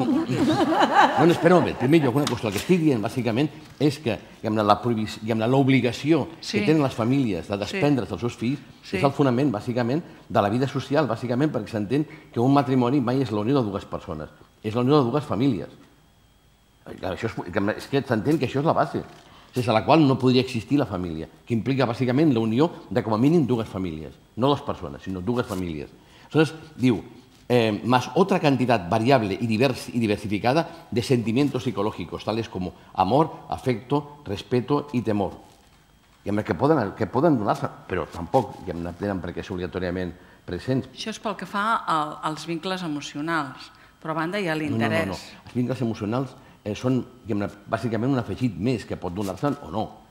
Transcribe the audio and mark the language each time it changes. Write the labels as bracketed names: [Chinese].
[Catalan] No, espera un moment. Primer lloc, una qüestió. El que estic dient, bàsicament, és que l'obligació que tenen les famílies de desprendre's dels seus fills és el fonament, bàsicament, de la vida social, bàsicament, perquè s'entén que un matrimoni mai és la unió de dues persones, és la unió de dues famílies. Això és que s'entén que això és la base, sense la qual no podria existir la família, que implica bàsicament la unió de com a mínim dues famílies, no dues persones, sinó dues famílies. Aleshores, diu, [Spanish] más otra cantidad variable y diversificada de sentimientos psicológicos, tales como amor, afecto, respeto y temor. [Catalan] I amb que poden donar-se, però tampoc no tenen perquè ser obligatòriament presents. Això és pel que fa als vincles emocionals, però a banda hi ha l'interès. No, no, no, els vincles emocionals són bàsicament un afegit més que pot donar-se o no.